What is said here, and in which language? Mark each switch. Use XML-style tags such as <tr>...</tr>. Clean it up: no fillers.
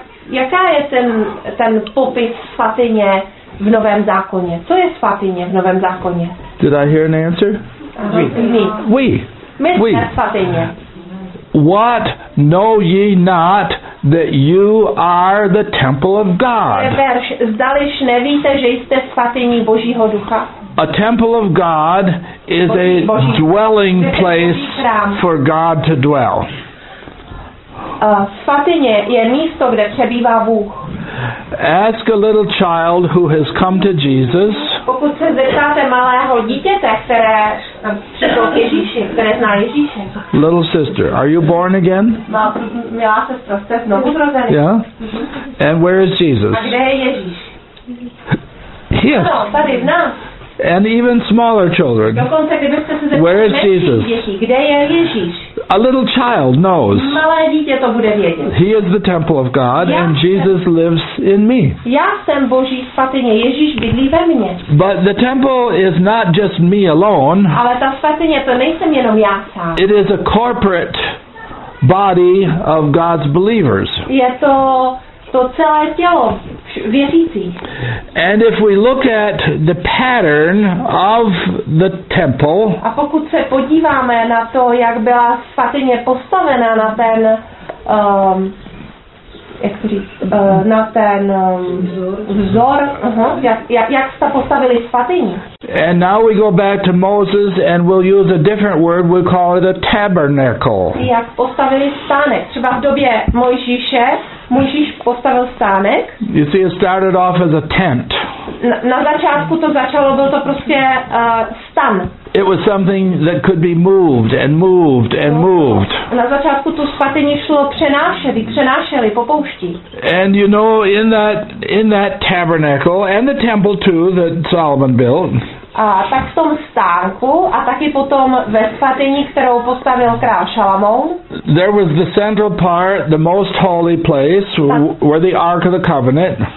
<cs>Jaká je ten popis svatyně v Novém zákoně? Co je svatyně v Novém zákoně?</cs> <en>Did I hear an answer?</en> <cs>We. Svatyně.</cs> <en>What know ye not that you are the temple of God?</en> <cs>Zdališ nevíte, že jste svatyní Božího ducha?</cs> <en>A temple of God is a dwelling place for God to dwell.</en> <cs>Svatyně je místo, kde přebývá Bůh.</cs> <en>Ask a little child who has come to Jesus.</en> <cs>Pokud se zeptáte malého dítěte, které přišlo k Ježíši, které zná Ježíše.</cs> <en>Little sister, are you born again?</en> <cs>Milá sestro, jste znovu zrozený.</cs> <en>Yeah. And where is Jesus?</en> <cs>A kde je Ježíš?</cs> <en>Here.</en> <cs>Ano, tady v nás.</cs> <en>And even smaller children.</en> <cs>Dokonce, kdybyste se zeptali,</cs> <en>where is Jesus?</en> <cs>Kde je Ježíš?</cs> <en>A little child knows.</en> <cs>Malé dítě to bude vědět.</cs> <en>He is the temple of God, and Jesus lives in me.</en> <cs>Já jsem Boží svatyně, Ježíš bydlí ve mně.</cs> <en>But the temple is not just me alone.</en> <cs>Ale ta svatyně, to nejsem jenom já sám.</cs> <en>It is a corporate body of God's believers.</en> <cs>Je to celé tělo věřících.</cs> <en>And if we look at the pattern of the temple,</en> <cs>a pokud se podíváme na to, jak byla svatyně postavena na ten vzor, jak jste postavili svatyni.</cs> <en>And now we go back to Moses and we'll use a different word, we'll call it a tabernacle.</en> <cs>Jak postavili stánek, třeba v době Mojžíše, Mojžíš postavil stánek.</cs> <en>You see, it started off as a tent.</en> <cs>Na začátku to začalo, byl to prostě stan.</cs> <en>It was something that could be moved and moved and moved.</en> <cs>Na začátku tu svatyni šlo přenášeli po poušti.</cs> <en>And you know, in that tabernacle and the temple too that Solomon built.</en> <cs>A tak v tom stánku a taky potom ve svatyni, kterou postavil král Šalamoun.</cs> <en>There was the central part, the most holy place, where the Ark of the Covenant.</en>